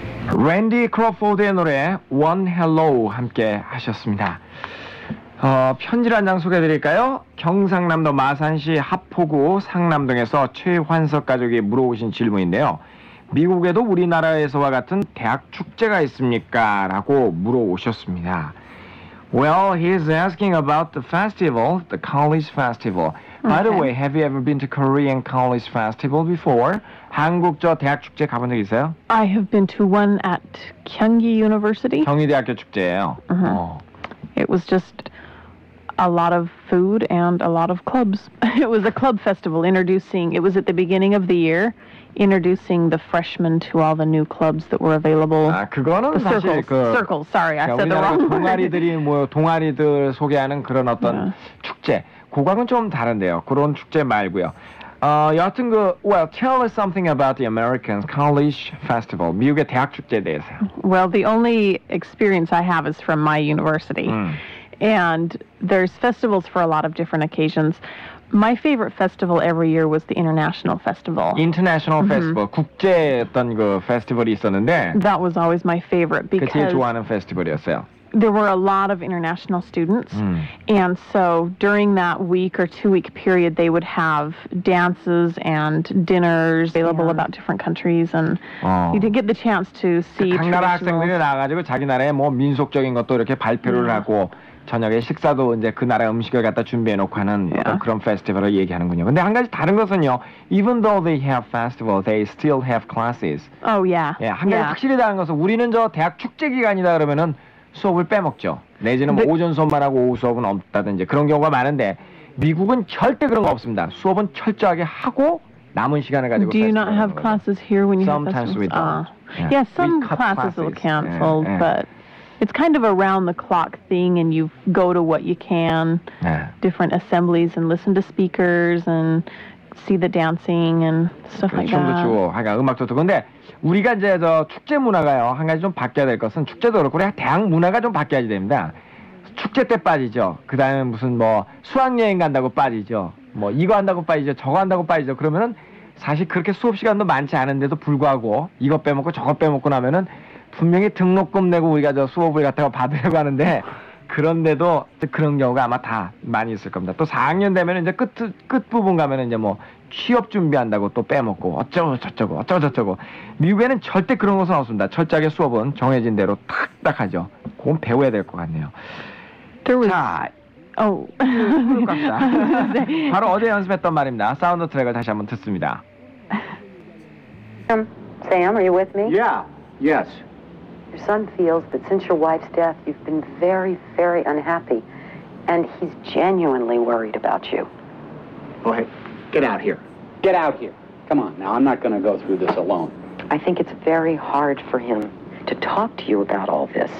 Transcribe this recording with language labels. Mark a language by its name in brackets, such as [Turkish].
[Korean] Randy Crawford의 노래 One Hello 함께 하셨습니다. 편지 한 장 소개해드릴까요? 경상남도 마산시 합포구 상남동에서 최환석 가족이 물어오신 질문인데요. 미국에도 우리나라에서와 같은 대학 축제가 있습니까? 라고 물어오셨습니다. [English] Well, he's asking about the festival, the college festival. Okay. By the way, have you ever been to Korean college festival before? [Korean] 한국 저 대학 축제 가본 적 있어요? [English] I have been to one at Gyeonggi University. [Korean] 경희대학교 축제예요. [English] It was just a lot of food and a lot of clubs. It was a club festival introducing, it was at the beginning of the year. Introducing the freshmen to all the new clubs that were available. [Korean] 아, 그거는 [English] the [Korean] 사실 [English] circles. [Korean] 그 [English] circles. Sorry, I said the wrong word. [Korean] 동아리들이 뭐 동아리들 소개하는 그런 어떤 축제. 그거는 좀 다른데요. 그런 축제 말고요. 여하튼 그 [English] well, tell us something about the American College Festival. [Korean] 미국의 대학 축제에 대해서. [English] Well, the only experience I have is from my university. And there's festivals for a lot of different occasions. My favorite festival every year was the International Festival. International Festival. [Korean] 국제 어떤 그 페스티벌이 있었는데. [English] That was always my favorite because [Korean] 그 제일 좋아하는 페스티벌이었어요. [English] There were a lot of international students. And so during that week or two-week period, they would have dances and dinners available about different countries. And you didn't get the chance to see [Korean] 그 각 나라 학생들이 나와가지고 자기 나라의 뭐 민속적인 것도 이렇게 발표를 하고 저녁에 식사도 이제 그 나라 음식을 갖다 준비해 놓고 하는 어떤 그런 페스티벌을 얘기하는군요. 근데 한 가지 다른 것은요. [English] Even though they have festival, they still have classes. Oh yeah. [Korean] 예, 한 가지 확실히 다른 것은 우리는 저 대학 축제 기간이다 그러면은 수업을 빼먹죠. 내지는 뭐 오전 수업만 하고 오후 수업은 없다든지 그런 경우가 많은데 미국은 절대 그런 거 없습니다. 수업은 철저하게 하고 남은 시간을 가지고 [English] Do you not have classes here when you have festivals? Sometimes we don't. Yeah, some classes will cancel, but it's kind of a round the clock thing and you go to what you can. Different assemblies and listen to speakers and see the dancing and stuff like that. [Korean] 춤도 추고 하여간 음악도 듣고 근데 우리가 이제 저 축제 문화가요. 한 가지 좀 바뀌어야 될 것은 축제도 그렇고 대학 문화가 좀 바뀌어야 됩니다. 축제 때 빠지죠. 그다음에 무슨 뭐 수학여행 간다고 빠지죠. 뭐 이거 한다고 빠지죠. 저거 한다고 빠지죠. 그러면은 사실 그렇게 수업 시간도 많지 않은데도 불구하고 이거 빼먹고 저거 빼먹고 나면은 분명히 등록금 내고 우리가 저 수업을 갖다가 받으려고 하는데 그런데도 그런 경우가 아마 다 많이 있을 겁니다. 또 4학년 되면 이제 끝부분 가면 이제 뭐 취업 준비한다고 또 빼먹고 어쩌고 저쩌고 미국에는 절대 그런 것은 없습니다. 철저하게 수업은 정해진 대로 딱딱 하죠. 그건 배워야 될 것 같네요. [English] There was... [Korean] 자, [English] oh. [Korean] 바로 어제 연습했던 말입니다. 사운드 트랙을 다시 한번 듣습니다. [English] Sam, are you with me? Yeah, yes. Your son feels that since your wife's death, you've been very, very unhappy. And he's genuinely worried about you. Oh, hey, get out here. Get out here. Come on, now, I'm not going to go through this alone. I think it's very hard for him to talk to you about all this.